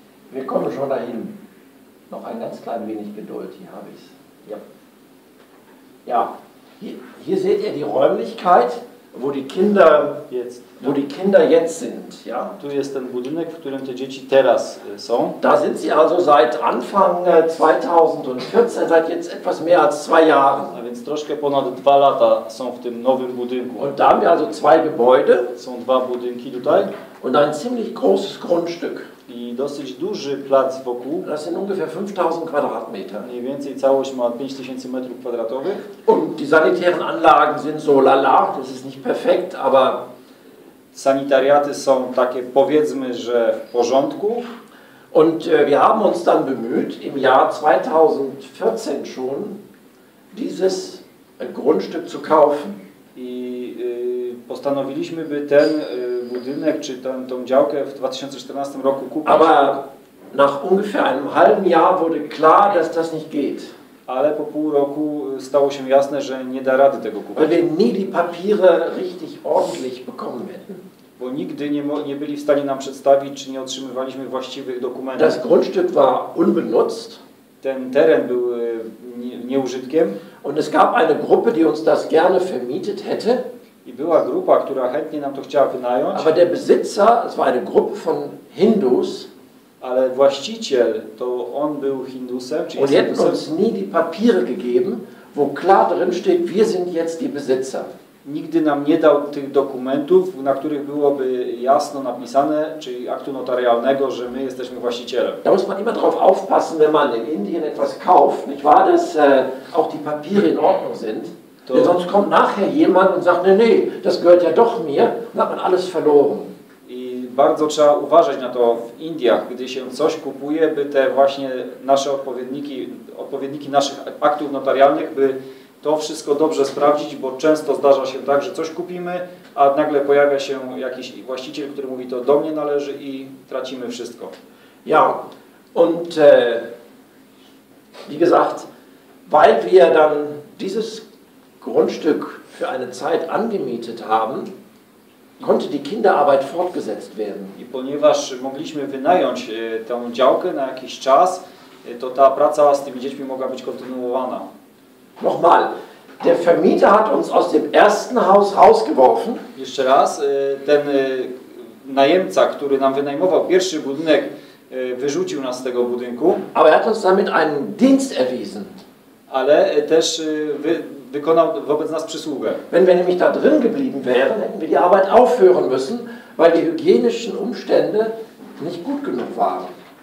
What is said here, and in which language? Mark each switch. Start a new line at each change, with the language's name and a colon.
German: Wir kommen schon dahin. Noch ein ganz klein wenig Geduld, hier habe ich es. Ja, ja. Hier seht ihr die Räumlichkeit, wo die Kinder jetzt, wo die Kinder jetzt sind. Ja.
Polish: Tu jest ten budynek, w którym te dzieci teraz są.
German: Da sind sie also seit Anfang 2014, seit jetzt etwas mehr als 2 Jahren.
Polish: A więc troszkę ponad 2 lata są w tym nowym budynku.
German: Und da haben wir also 2 Gebäude.
Polish: Są 2 budynki tutaj.
German: Und ein ziemlich großes Grundstück.
Polish: I dosyć duży plac wokół.
German: Das sind ungefähr 5000 Quadratmeter.
Polish: Mniej więcej całość ma 5000 metrów kwadratowych.
German: Und die sanitären Anlagen sind so lala, das ist nicht perfekt, aber...
Polish: Sanitariaty są takie, powiedzmy, że w porządku.
German: Und wir haben uns dann bemüht, im Jahr 2014 schon, dieses Grundstück zu kaufen.
Polish: I postanowiliśmy, by ten... budynek, czy tą działkę w 2014 roku kupić.
German: Aber nach ungefähr einem halben Jahr wurde klar, dass das nicht geht.
Polish: ale po pół roku stało się jasne, że nie da rady tego kupić.
German: Weil wir nie die Papiere richtig ordentlich bekommen werden.
Polish: Bo nigdy nie byli w stanie nam przedstawić, czy nie otrzymywaliśmy właściwych dokumentów.
German: Das Grundstück war unbenutzt.
Polish: Ten teren był nieużytkiem.
German: Und es gab eine Gruppe, die uns das gerne vermietet hätte.
Polish: I była grupa, która chętnie nam to chciała wynająć.
German: Aber der Besitzer, es war eine Gruppe von Hindus.
Polish: Ale właściciel, to on był Hindusem, czyli Hindusem.
German: Und die hat uns nie die Papiere gegeben, wo klar drin steht, wir sind jetzt die Besitzer.
Polish: Nigdy nam nie dał tych dokumentów, na których byłoby jasno napisane, czyli aktu notarialnego, że my jesteśmy właścicielem.
German: Da muss man immer drauf aufpassen, wenn man in Indien etwas kauft, nicht wahr, dass auch die Papiere in Ordnung sind. To... Denn sonst kommt nachher jemand und sagt, nee, nee, das gehört ja doch mir, dann hat man alles verloren.
Polish: I bardzo trzeba uważać na to w Indiach, gdy się coś kupuje, by te właśnie nasze odpowiedniki, odpowiedniki naszych aktów notarialnych, by to wszystko dobrze sprawdzić, bo często zdarza się tak, że coś kupimy, a nagle pojawia się jakiś właściciel, który mówi, to do mnie należy i tracimy wszystko.
German: Ja, und wie gesagt, weil wir dann dieses Grundstück für eine Zeit angemietet haben, konnte die Kinderarbeit fortgesetzt werden.
Polish: I ponieważ mogliśmy wynająć tę działkę na jakiś czas, to ta praca z tymi dziećmi mogła być kontynuowana.
German: Nochmal, der Vermieter hat uns aus dem ersten Haus rausgeworfen.
Polish: Jeszcze raz, ten najemca, który nam wynajmował pierwszy budynek, wyrzucił nas z tego budynku.
German: Aber er hat uns damit einen Dienst erwiesen.
Polish: Ale też wykonał wobec nas przysługę.
German: Wenn wir nämlich da drin geblieben wären, hätten wir die Arbeit aufhören müssen, weil die hygienischen Umstände nicht gut genug waren.